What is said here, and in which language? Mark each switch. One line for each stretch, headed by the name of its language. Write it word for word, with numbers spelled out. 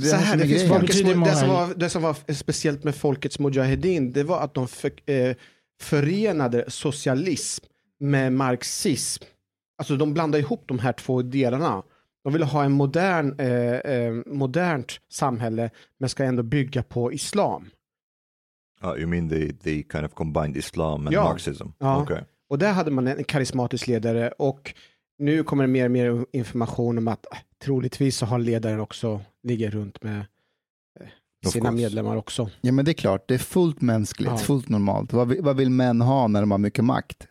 Swedish: så här, det, finns Folkets, det, som var, det som var speciellt med Folkets Mujahedin, det var att de för, eh, förenade socialism med marxism. Alltså de blandade ihop de här två delarna. De ville ha en modern, eh, eh, modernt samhälle, men ska ändå bygga på islam.
English: Oh, you mean they, they kind of combined Islam and
Swedish: ja.
English: Marxism?
Swedish: Ja, okay. Och där hade man en karismatisk ledare och nu kommer det mer och mer information om att troligtvis så har ledaren också ligger runt med sina medlemmar också. Ja, men det är klart, det är fullt mänskligt, ja. fullt normalt. Vad, vad vill män ha när de har mycket makt?